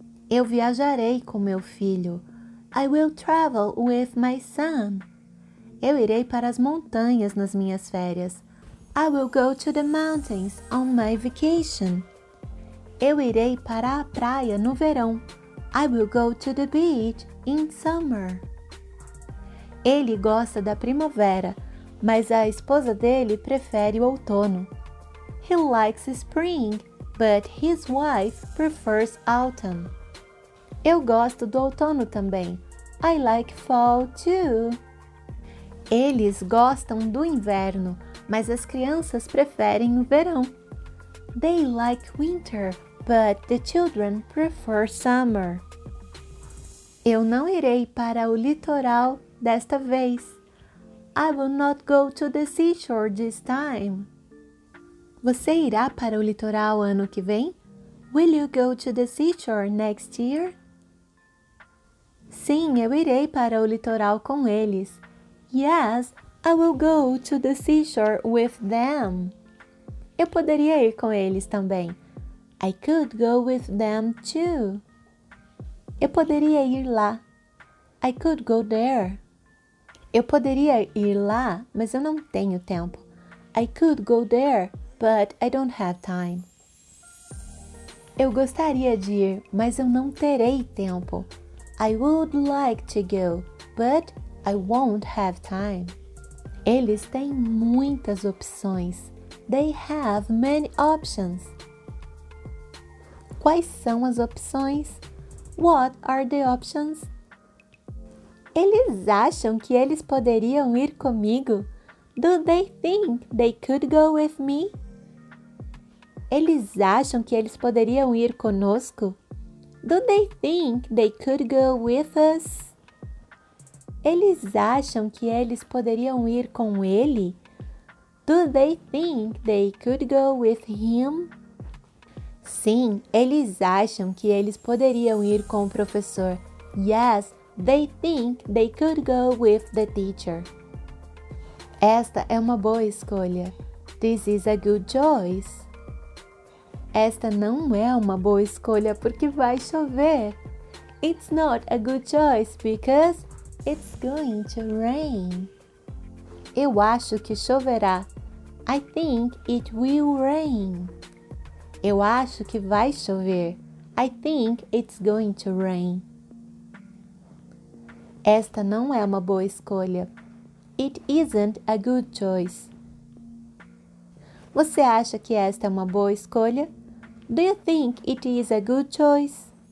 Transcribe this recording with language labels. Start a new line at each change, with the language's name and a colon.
Portuguese: Eu viajarei com meu filho.
English: I will travel with my son.
Portuguese: Eu irei para as montanhas nas minhas férias.
English: I will go to the mountains on my vacation.
Portuguese: Eu irei para a praia no verão.
English: I will go to the beach in summer.
Portuguese: Ele gosta da primavera, mas a esposa dele prefere o outono.
English: He likes spring, but his wife prefers autumn.
Portuguese: Eu gosto do outono também.
English: I like fall too.
Portuguese: Eles gostam do inverno, mas as crianças preferem o verão.
English: They like winter, but the children prefer summer.
Portuguese: Eu não irei para o litoral desta vez.
English: I will not go to the seashore this time.
Portuguese: Você irá para o litoral ano que vem?
English: Will you go to the seashore next year?
Portuguese: Sim, eu irei para o litoral com eles.
English: Yes, I will go to the seashore with them.
Portuguese: Eu poderia ir com eles também.
English: I could go with them too.
Portuguese: Eu poderia ir lá.
English: I could go there.
Portuguese: Eu poderia ir lá, mas eu não tenho tempo.
English: I could go there, but I don't have time.
Portuguese: Eu gostaria de ir, mas eu não terei tempo.
English: I would like to go, but I won't have time.
Portuguese: Eles têm muitas opções.
English: They have many options.
Portuguese: Quais são as opções?
English: What are the options?
Portuguese: Eles acham que eles poderiam ir comigo?
English: Do they think they could go with me?
Portuguese: Eles acham que eles poderiam ir conosco?
English: Do they think they could go with us?
Portuguese: Eles acham que eles poderiam ir com ele?
English: Do they think they could go with him?
Portuguese: Sim, eles acham que eles poderiam ir com o professor.
English: Yes, they think they could go with the teacher.
Portuguese: Esta é uma boa escolha.
English: This is a good choice.
Portuguese: Esta não é uma boa escolha porque vai chover.
English: It's not a good choice because it's going to rain.
Portuguese: Eu acho que choverá.
English: I think it will rain.
Portuguese: Eu acho que vai chover.
English: I think it's going to rain.
Portuguese: Esta não é uma boa escolha.
English: It isn't a good choice.
Portuguese: Você acha que esta é uma boa escolha?
English: Do you think it is a good choice?